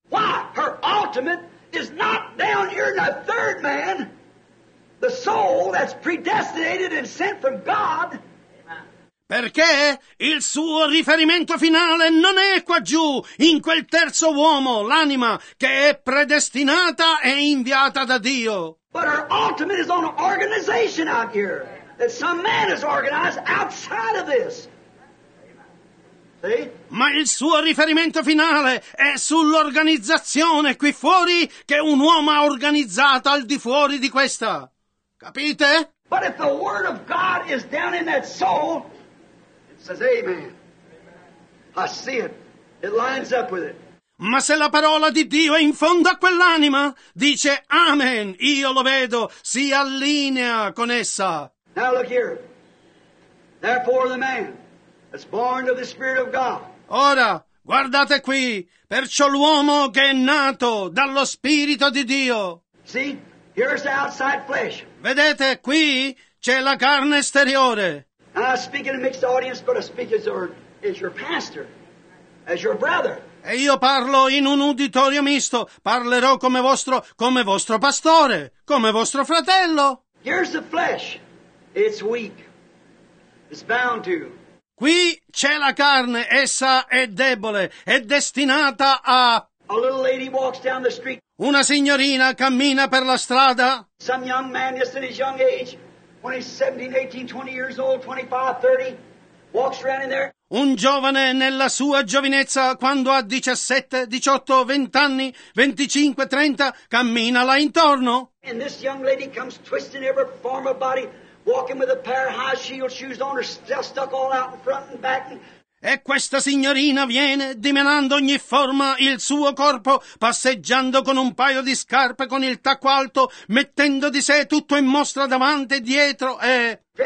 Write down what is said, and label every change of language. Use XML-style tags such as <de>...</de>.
<en>Why? Her ultimate is not down here in the third man. The soul that's predestinated and sent from God.</en> <it>Perché il suo riferimento finale non è qua giù, in quel terzo uomo, l'anima, che è predestinata e inviata da Dio.</it> <en>But her ultimate is on an organization out here, that some man has organized outside of this. See?</en> <it>Ma il suo riferimento finale è sull'organizzazione qui fuori, che un uomo ha organizzato al di fuori di questa. Capite?</it> <en>But if the word of God is down in that soul, says amen. I see it. It lines up with it.</en> <it>Ma se la parola di Dio è in fondo a quell'anima, dice amen, io lo vedo, si allinea con essa.</it> <en>Now look here. Therefore the man that's born of the Spirit of God.</en> <it>Ora, guardate qui, perciò l'uomo che è nato dallo Spirito di Dio.</it> <en>See, here's the outside flesh.</en> <it>Vedete, qui c'è la carne esteriore.</it> <en>I'm speaking to a mixed audience, but I speak as your pastor, as your brother.</en> <it>E io parlo in un uditorio misto. Parlerò come vostro pastore, come vostro fratello.</it> <en>Here's the flesh. It's weak. It's bound to.</en> <it>Qui c'è la carne. Essa è debole. È destinata a.</it> <en>A little lady walks down the street.</en> <it>Una signorina cammina per la strada.</it> <en>Some young man, just in his young age. When he's 17, 18, 20 years old, 25, 30, walks around in there.</en> <it>Un giovane nella sua giovinezza, quando ha 17, 18, 20 anni, 25, 30, cammina là intorno.</it> <en>And this young lady comes twisting every form of body, walking with a pair of high heel shoes on, her still stuck all out in front and back. And...</en> <it>E questa signorina viene, dimenando ogni forma il suo corpo, passeggiando con un paio di scarpe con il tacco alto, mettendo di sé tutto in mostra davanti e dietro e...</it>